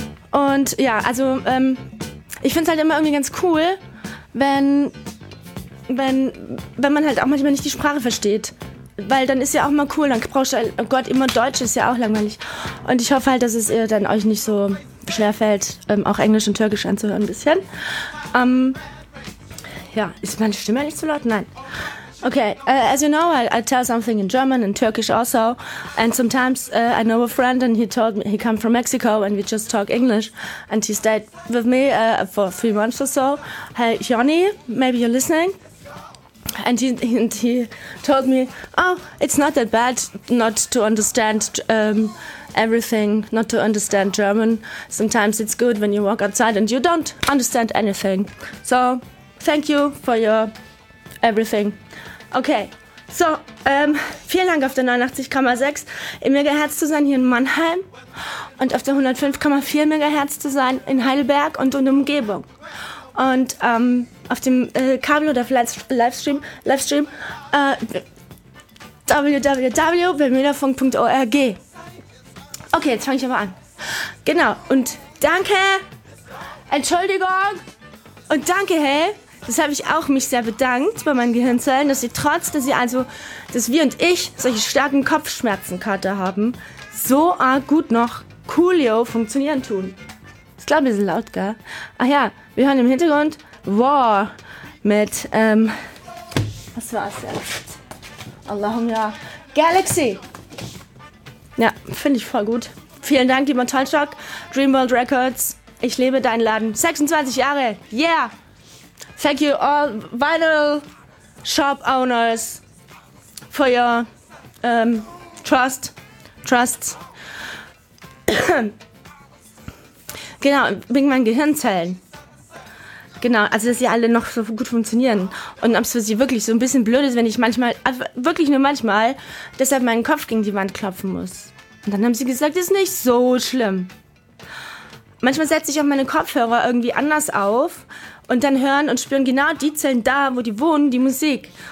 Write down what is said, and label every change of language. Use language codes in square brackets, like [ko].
[de] Und ja, also ich finde es halt immer irgendwie ganz cool, wenn man halt auch manchmal nicht die Sprache versteht. Weil dann ist ja auch mal cool, dann brauchst du, oh Gott, immer Deutsch ist ja auch langweilig. Und ich hoffe halt, dass es dann euch nicht so schwer fällt, auch Englisch und Türkisch anzuhören ein bisschen. Ja, ist meine Stimme nicht zu laut? Nein. [en] Okay, as you know, I tell something in German and Turkish also. And sometimes I know a friend and he told me he come from Mexico and we just talk English. And he stayed with me for 3 months or so. Hey, Johnny, maybe you're listening? And he told me, oh, it's not that bad not to understand everything, not to understand German. Sometimes it's good when you walk outside and you don't understand anything. So, thank you for your everything. [de] Okay, so, vielen Dank auf der 89,6 im Megahertz zu sein hier in Mannheim und auf der 105,4 Megahertz zu sein in Heidelberg und in der Umgebung. Und auf dem Kabel oder vielleicht Livestream www.bermudafunk.org. Okay, jetzt fange ich aber an. Genau, und danke, Entschuldigung, und danke, hey. Das habe ich auch mich sehr bedankt bei meinen Gehirnzellen, dass sie trotz, dass sie also, dass wir und ich solche starken Kopfschmerzenkater haben, so arg gut noch coolio funktionieren tun. Ich glaube, wir sind laut, gell? Ach ja, wir hören im Hintergrund War mit, was war's jetzt? Allahumma, Galaxy! Ja, finde ich voll gut. Vielen Dank, lieber Tolschok, Dreamworld Records, ich liebe deinen Laden. 26 Jahre, yeah! [en] Thank you all vinyl shop owners for your trust. [de] Genau, wegen meinen Gehirnzellen. Genau, also dass sie alle noch so gut funktionieren. Und ob es für sie wirklich so ein bisschen blöd ist, wenn ich manchmal, wirklich nur manchmal, deshalb meinen Kopf gegen die Wand klopfen muss. Und dann haben sie gesagt, ist nicht so schlimm. Manchmal setze ich auch meine Kopfhörer irgendwie anders auf und dann hören und spüren genau die Zellen da, wo die wohnen, die Musik.